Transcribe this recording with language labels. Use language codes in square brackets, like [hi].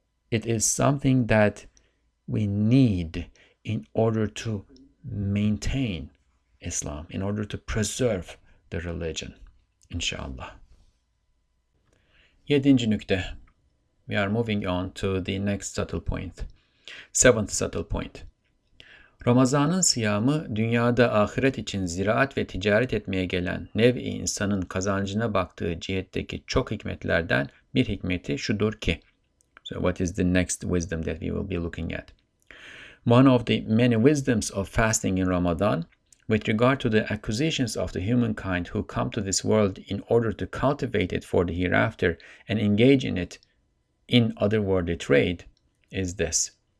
[en] It is something that we need in order to maintain Islam, in order to preserve the religion, inshallah. [tr] Yedinci nükte. [en] We are moving on to the next subtle point. Seventh subtle point. [tr] Ramazanın siyamı, dünyada ahiret için ziraat ve ticaret etmeye gelen nev'i insanın kazancına baktığı cihetteki çok hikmetlerden bir hikmeti şudur ki. [en] So what is the next wisdom that we will be looking at? One of the many wisdoms of fasting in Ramadan, with regard to the acquisitions of the humankind who come to this world in order to cultivate it for the hereafter and engage in it in otherworldly trade, is this.